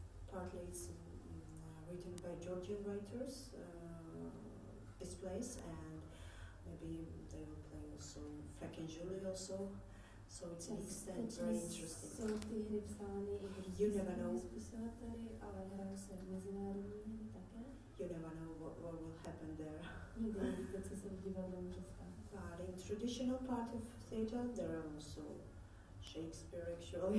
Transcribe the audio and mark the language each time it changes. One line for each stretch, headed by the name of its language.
English: Partly it's written by Georgian writers, this place, and maybe they will play also Frank and Julie also. So it's an extent very interesting.
Czech: Jsou ty hry psány i hry spisovateli, ale hrají se mezinárodní hry také.
English: You never know what will happen there.
Czech: Nikdy nevíte, co se v divadle může stát.
English: But in traditional part of theatre, there are also Shakespeare, actually.